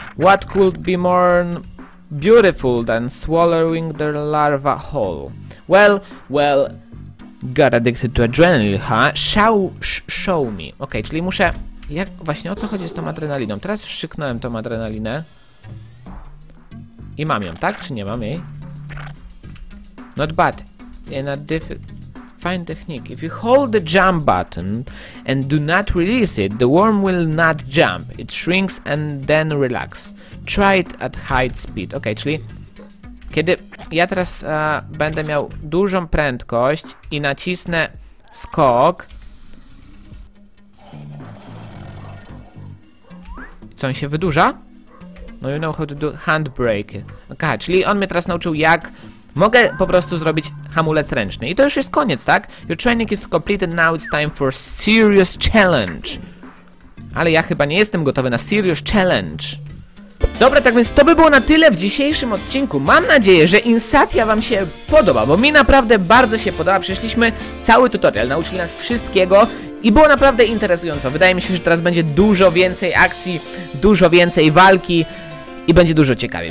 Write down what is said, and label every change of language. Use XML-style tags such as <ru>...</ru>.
<en>What could be more beautiful than swallowing the larva whole? Well, got addicted to adrenaline, huh? Show me.</en> <pl>Okej, czyli muszę... Jak właśnie, o co chodzi z tą adrenaliną? Teraz wstrzyknąłem tą adrenalinę. I mam ją, tak? Czy nie mam jej?</pl> <en>Not bad. In a fine technique. If you hold the jump button and do not release it, the worm will not jump. It shrinks and then relax. Try it at high speed.</en> <pl>Okej, czyli kiedy ja teraz będę miał dużą prędkość i nacisnę skok, co on się wydłuża?</pl> <en>No you know how to do handbrake.</en> <pl>Okej, czyli on mnie teraz nauczył, jak mogę po prostu zrobić hamulec ręczny. I to już jest koniec, tak?</pl> <en>Your training is completed, now it's time for serious challenge.</en> <pl>Ale ja chyba nie jestem gotowy na</pl> <en>serious challenge.</en> <pl>Dobra, tak więc to by było na tyle w dzisiejszym odcinku. Mam nadzieję, że Insatia wam się podoba, bo mi naprawdę bardzo się podoba. Przeszliśmy cały tutorial, nauczyli nas wszystkiego i było naprawdę interesująco. Wydaje mi się, że teraz będzie dużo więcej akcji, dużo więcej walki i będzie dużo ciekawie.</pl>